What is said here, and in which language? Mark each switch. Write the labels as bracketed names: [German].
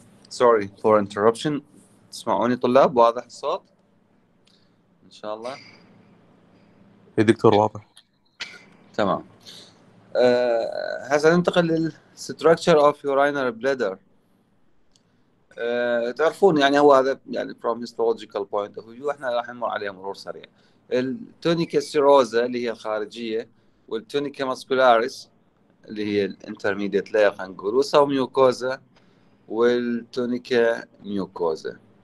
[English] Sorry for interruption. [Arabic] تسمعوني طلاب؟ واضح الصوت؟ إن شاء الله. يا دكتور واضح. تمام. هسا ننتقل للstructure of urinary bladder. تعرفون يعني هو هذا يعني [English] from histological point of view [Arabic] احنا راح نمر عليه مرور سريع. التونيكا سيروزا اللي هي الخارجية والتونيكا ماسكولاريس اللي هي الانترميديت لاير خلينا نقول وساو ميوكوزا والتونيكا ميوكوزا.